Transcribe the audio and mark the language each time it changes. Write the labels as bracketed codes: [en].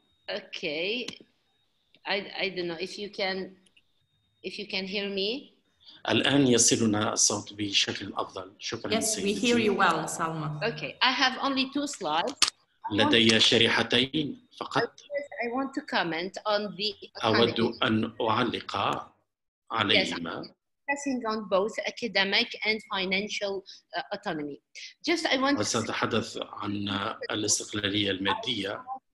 [en] Okay, I don't know if you can hear me. [ar] الآن يصلنا الصوت بشكل أفضل. شكرا [en] yes, سيدتي. We hear you well, Salma. Okay, I have only two slides. [ar] لدي شريحتين فقط. [en] I want to comment on the. [ar] أود أن أعلق عليهما. [en] Yes. Passing on both academic and financial autonomy. Just I want to say, [ar] عن الاستقلالية المادية.